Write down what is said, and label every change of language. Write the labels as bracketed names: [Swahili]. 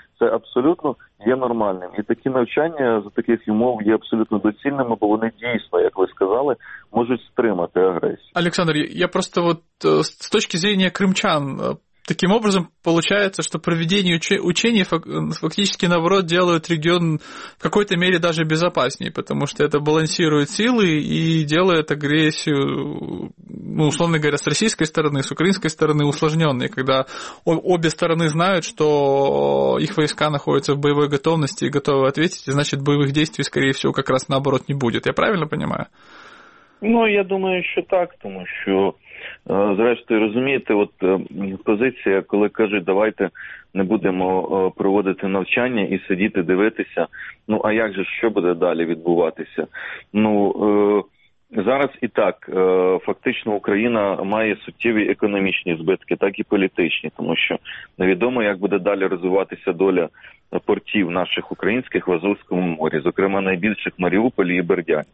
[Ukrainian] Це абсолютно є нормальним. І такі навчання за таких умов є абсолютно доцільними, бо вони дійсно, як ви сказали, можуть стримати агресію. [Russian] Олександр, я просто от з точки зрения кримчан, таким образом получается, что проведение учений фактически наоборот делают регион в какой-то мере даже безопаснее, потому что это балансирует силы и делает агрессию, ну, условно говоря, с российской стороны, с украинской стороны усложненной, когда обе стороны знают, что их войска находятся в боевой готовности и готовы ответить, и значит боевых действий, скорее всего, как раз наоборот не будет. Я правильно понимаю? [Ukrainian] Ну, я думаю, що так, тому що, зрештою, розумієте, от позиція, коли кажуть, давайте не будемо проводити навчання і сидіти, дивитися, ну, а як же, що буде далі відбуватися? Ну, зараз і так, фактично Україна має суттєві економічні збитки, так і політичні, тому що невідомо, як буде далі розвиватися доля портів наших українських в Азовському морі, зокрема найбільших Маріуполі і Бердянськ.